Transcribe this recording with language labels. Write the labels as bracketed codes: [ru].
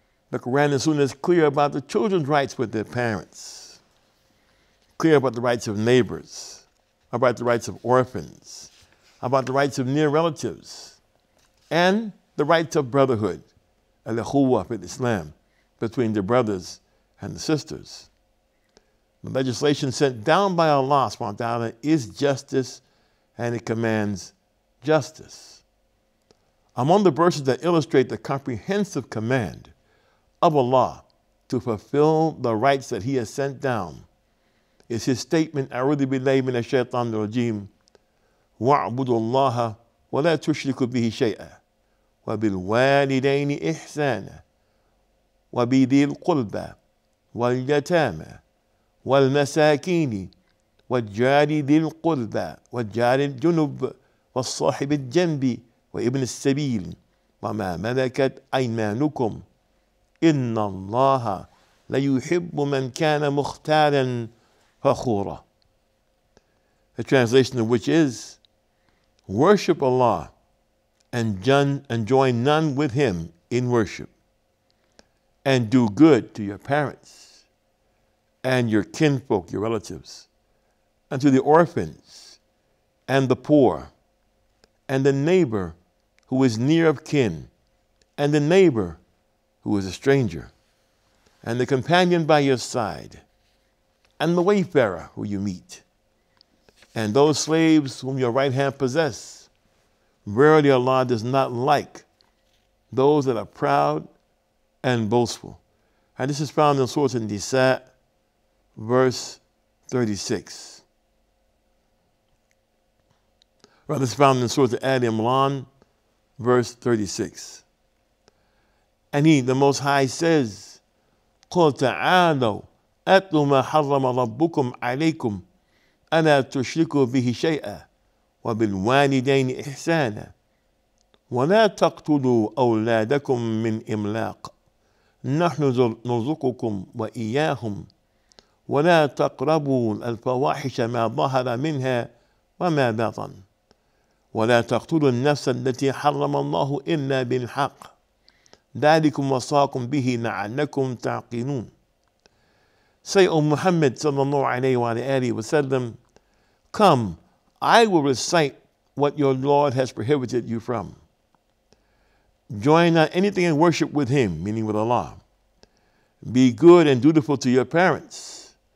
[en] The Quran and Sunnah is clear about the children's rights with their parents, clear about the rights of neighbors, about the rights of orphans, about the rights of near relatives, and the rights of brotherhood, al-ikhuwa fi Islam, between the brothers and the sisters. The legislation sent down by Allah subhanahu wa ta'ala is justice, and it commands justice. Among the verses that illustrate the comprehensive command of Allah to fulfill the rights that He has sent down is His statement, [ar] أَعُوذِ بِاللَّهِ مِنَ الشَّيْطَانِ الرَّجِيمِ وَاعْبُدُوا اللَّهَ وَلَا تُشْرِكُوا بِهِ شَيْئًا وَبِالْوَالِدَيْنِ إِحْسَانًا وَبِذِي الْقُرْبَى وَالْيَتَامَى وَالْمَسَاكِينِ وَالْجَارِ ذِي الْقُرْبَى وَالْجَارِ الْجُنُبِ وَالصَّاحِبِ الْجَنْبِ وابن السبيل وما ملكت أيمانكم إن الله ليحب من كان مختالا فخورا. [en] The translation of which is, worship Allah and join none with Him in worship, and do good to your parents and your kinfolk, your relatives, and to the orphans and the poor and the neighbor who is near of kin, and the neighbor who is a stranger, and the companion by your side, and the wayfarer who you meet, and those slaves whom your right hand possess. Verily Allah does not like those that are proud and boastful. And this is found in Surah An-Nisa, verse 36. Rather, it's found in Surah Al-Imran, verse 36. And He, the Most High, says, [ar] قُلْ تَعَالَوْ أَتْلُ مَا حَرَّمَ رَبُّكُمْ عَلَيْكُمْ أَلَا تُشْرِكُوا بِهِ شَيْئًا وَبِالْوَالِدَيْنِ إِحْسَانًا وَلَا تَقْتُلُوا أَوْلَادَكُمْ مِنْ إِمْلَاقٍ نَحْنُ نَرْزُقُكُمْ وَإِيَّاهُمْ وَلَا تَقْرَبُوا الْفَوَاحِشَ مَا ظَهَرَ مِنْهَا وَمَا بَطَنَ وَلَا تَقْتُلُوا النَّفْسَ الَّتِي حَرَّمَ اللَّهُ إِلَّا بِالْحَقِّ ذَلِكُمْ وَصَّاكُمْ بِهِ لَعَلَّكُمْ تَعْقِلُونَ. [en] Say, O Muhammad sallallahu alayhi wa sallam, come, I will recite what your Lord has prohibited you from. Join not anything in worship with Him, meaning with Allah. Be good and dutiful to your parents.